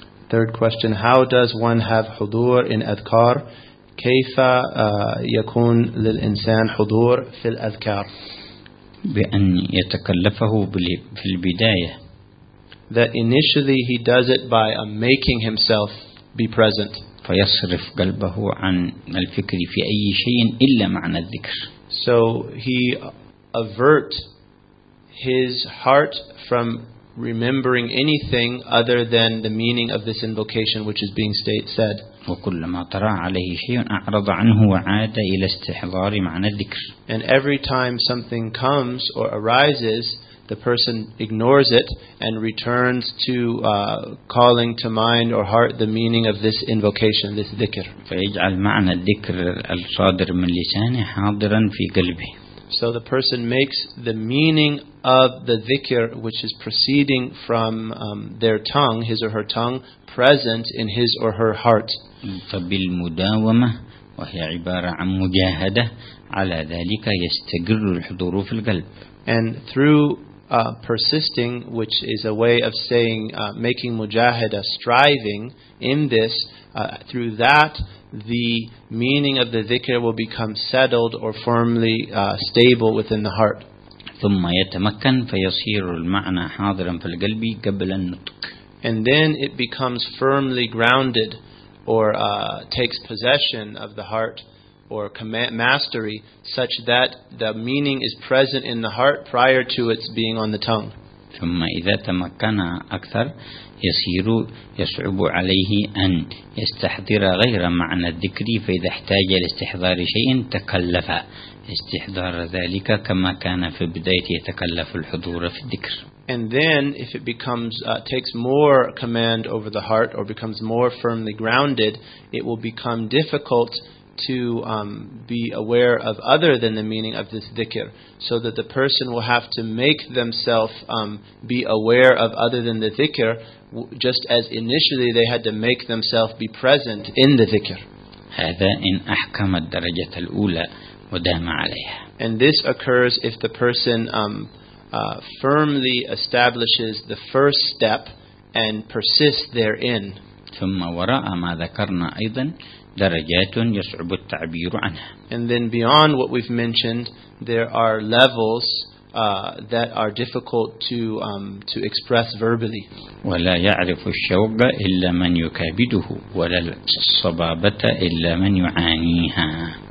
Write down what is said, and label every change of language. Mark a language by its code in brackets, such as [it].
[en] Third question, how does one have hudur in adhkar? [ar] كَيْفَ يَكُون لِلْإِنسَانِ حُدُور فِي الْأَذْكَارِ. بأن يتكلفه في البداية. [en] That initially he does it by making himself be present. [ar] فيصرف قلبه عن الفكر في أي شيء إلا معنى الذكر. [en] So he avert his heart from remembering anything other than the meaning of this invocation which is being said. [ar] وكلما طرا عليه شيء أعرض عنه وعاد إلى استحضار معنى الذكر. [en] And every time something comes or arises, the person ignores it and returns to calling to mind or heart the meaning of this invocation, this dhikr. [ar] فيجعل معنى الذكر الصادر من لسانه حاضرا في قلبه. [en] So the person makes the meaning of the dhikr, which is proceeding from their tongue, his or her tongue, present in his or her heart. [ar] فبالمداومة وهي عبارة عن مجاهدة على ذلك يستقر الحضور في القلب. [en] And through persisting, which is a way of saying making mujahida, striving in this, through that the meaning of the dhikr will become settled or firmly stable within the heart. [ar] ثم يتمكن فيصير المعنى حاضرا في القلب قبل النطق. [en] And then it becomes firmly grounded or takes possession of the heart or mastery, such that the meaning is present in the heart prior to its being on the tongue. [ar] ثم إذا تمكن أكثر يصير يصعب عليه أن يستحضر غير معنى الذكر فإذا احتاج لاستحضار شيء تكلف استحضار ذلك كما كان في بداية يتكلف الحضور في الذكر. [en] And then if it becomes takes more command over the heart or becomes more firmly grounded, it will become difficult to be aware of other than the meaning of this dhikr, so that the person will have to make themselves be aware of other than the dhikr, just as initially they had to make themselves be present in the dhikr. [ar] هذا إن أحكم الدرجة الأولى ودام عليها. [en] And this occurs if the person firmly establishes the first step and persists therein. [ar] ثم وراء ما ذكرنا أيضا درجات يصعب التعبير عنها. [en] And then beyond what we've mentioned, there are levels that are difficult to express verbally. [ar] ولا يعرف الشوق إلا من يكابده ولا الصبابة إلا من يعانيها.